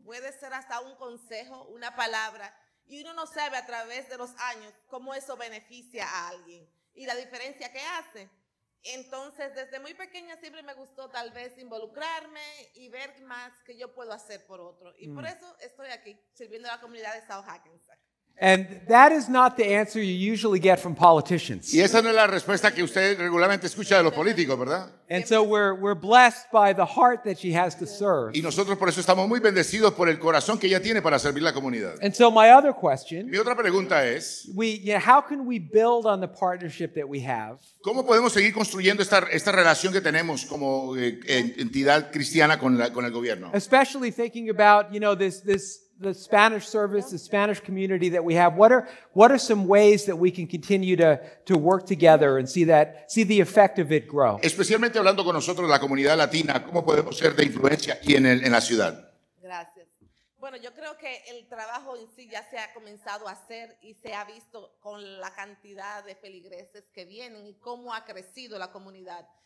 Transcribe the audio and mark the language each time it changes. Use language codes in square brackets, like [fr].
[es] Puede ser hasta un consejo, una palabra. Y uno no sabe a través de los años cómo eso beneficia a alguien y la diferencia que hace. Entonces, desde muy pequeña siempre me gustó tal vez involucrarme y ver más que yo puedo hacer por otro. Y por eso estoy aquí, sirviendo a la comunidad de South Hackensack. [en] And that is not the answer you usually get from politicians. [es] Y esa no es la respuesta que usted regularmente escucha de los políticos, ¿verdad? [en] And so we're blessed by the heart that she has to serve. [es] Y nosotros por eso estamos muy bendecidos por el corazón que ella tiene para servir la comunidad. [en] And so my other question. [es] Mi otra pregunta es. [en] How can we build on the partnership that we have? [es] ¿Cómo podemos seguir construyendo esta relación que tenemos como entidad cristiana con el gobierno? [en] Especially thinking about, you know, this the Spanish service, the Spanish community that we have, what are some ways that we can continue to work together and see the effect of it grow? [es] Especialmente hablando con nosotros, la comunidad latina, ¿cómo podemos ser de influencia aquí en la ciudad? Gracias. Bueno, yo creo que el trabajo en sí ya se ha comenzado a hacer y se ha visto con la cantidad de feligreses que vienen y cómo ha crecido la comunidad.